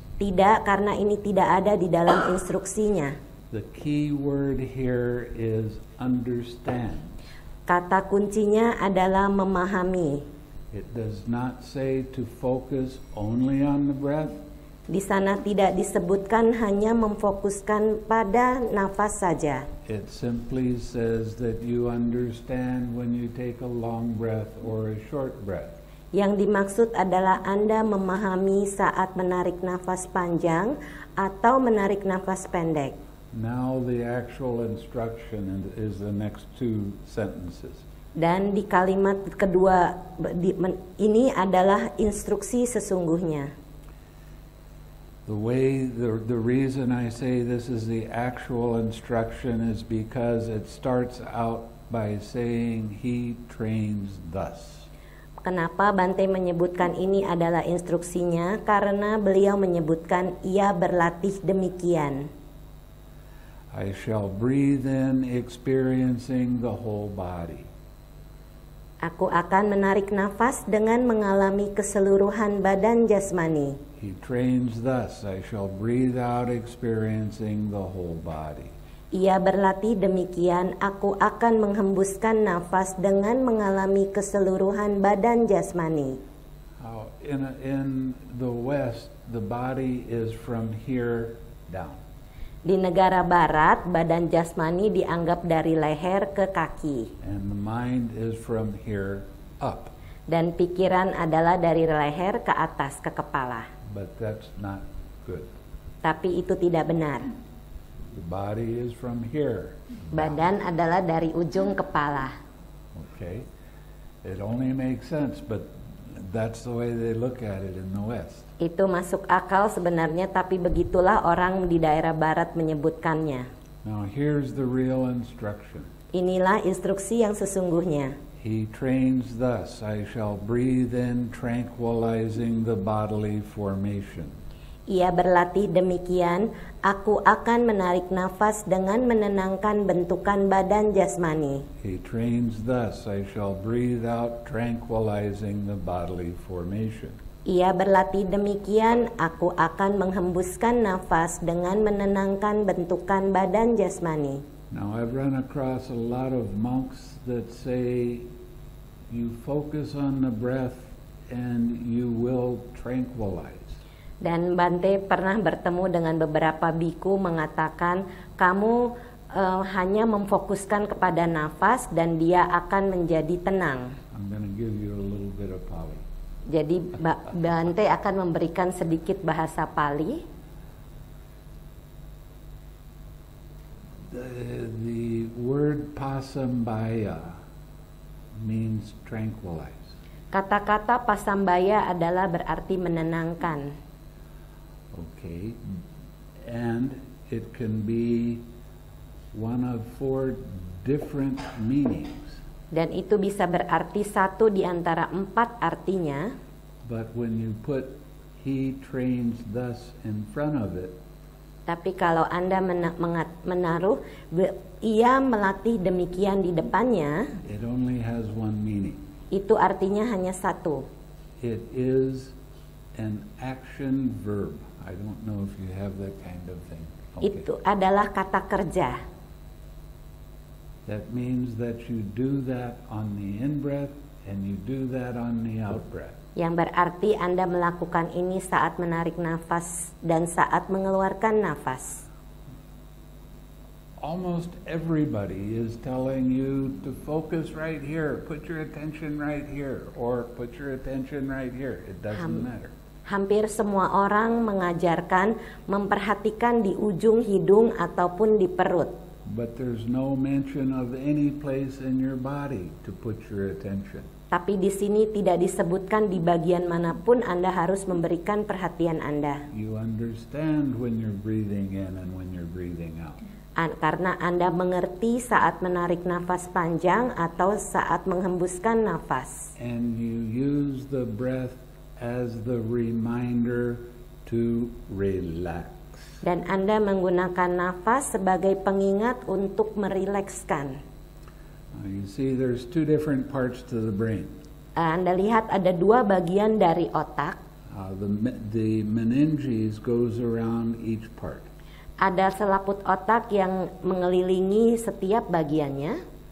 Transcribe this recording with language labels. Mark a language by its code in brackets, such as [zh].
[id] Tidak, karena ini tidak ada di dalam instruksinya. [en] The key word here is understand. [id] Kata kuncinya adalah memahami. [en] It does not say to focus only on the breath. [id] Di sana tidak disebutkan hanya memfokuskan pada nafas saja. [en] It simply says that you understand when you take a long breath or a short breath. [id] Yang dimaksud adalah Anda memahami saat menarik nafas panjang atau menarik nafas pendek. [en] Now the actual instruction is the next two sentences. [id] Dan di kalimat kedua ini adalah instruksi sesungguhnya. [en] The reason I say this is the actual instruction is because it starts out by saying he trains thus. [id] Kenapa Bante menyebutkan ini adalah instruksinya? Karena beliau menyebutkan ia berlatih demikian. [en] I shall breathe in experiencing the whole body. [id] Aku akan menarik nafas dengan mengalami keseluruhan badan jasmani. [en] He trains thus, I shall breathe out experiencing the whole body. [id] Ia berlatih demikian, aku akan menghembuskan nafas dengan mengalami keseluruhan badan jasmani. [en] In the West, the body is from here down. [id] Di negara barat, badan jasmani dianggap dari leher ke kaki. [en] And the mind is from here up. [id] Dan pikiran adalah dari leher ke atas, ke kepala. [en] But that's not good. [id] Tapi itu tidak benar. [en] The body is from here. [id] Badan adalah dari ujung kepala. [en] Okay. It only makes sense, but that's the way they look at it in the West. [id] Itu masuk akal sebenarnya, tapi begitulah orang di daerah barat menyebutkannya. [en] Now here's the real instruction. [id] Inilah instruksi yang sesungguhnya. [en] He trains thus, I shall breathe in tranquilizing the bodily formation. [id] Ia berlatih demikian, aku akan menarik nafas dengan menenangkan bentukan badan jasmani. [en] He trains thus, I shall breathe out tranquilizing the bodily formation. [id] Ia berlatih demikian, aku akan menghembuskan nafas dengan menenangkan bentukan badan jasmani. [en] Now I've run across a lot of monks that say you focus on the breath and you will tranquilize. [id] Dan Bante pernah bertemu dengan beberapa biku mengatakan, kamu hanya memfokuskan kepada nafas dan dia akan menjadi tenang. [en] I'm gonna give you a little bit of Pali. [id] Jadi Bante akan memberikan sedikit bahasa Pali. [en] The word pasambaya means tranquilize. [id] Kata-kata pasambaya adalah berarti menenangkan. [en] Okay, and it can be one of four different meanings. [id] Dan itu bisa berarti satu di antara empat artinya. [en] But when you put he trains thus in front of it. [id] Tapi kalau Anda menaruh ia melatih demikian di depannya. [en] It only has one meaning. [id] Itu artinya hanya satu. [en] It is an action verb. I don't know if you have that kind of thing. [id] Okay. Itu adalah kata kerja. [en] That means that you do that on the in-breath and you do that on the out-breath. [id] Yang berarti Anda melakukan ini saat menarik nafas dan saat mengeluarkan nafas. [en] Almost everybody is telling you to focus right here, put your attention right here, or put your attention right here. It doesn't matter. [id] Hampir semua orang mengajarkan memperhatikan di ujung hidung ataupun di perut. [en] But there's no mention of any place in your body to put your attention. [id] Tapi di sini tidak disebutkan di bagian manapun Anda harus memberikan perhatian Anda. [en] You understand when you're breathing in and when you're breathing out. [id] Karena Anda mengerti saat menarik nafas panjang atau saat menghembuskan nafas. [en] And you use the breath as the reminder to relax. [id] Dan Anda menggunakan nafas sebagai pengingat untuk merilekskan. [en] You see, there's two different parts to the brain. [id] Anda lihat ada dua bagian dari otak. [en] The meninges goes around each part. [id] Ada selaput otak yang mengelilingi setiap bagiannya.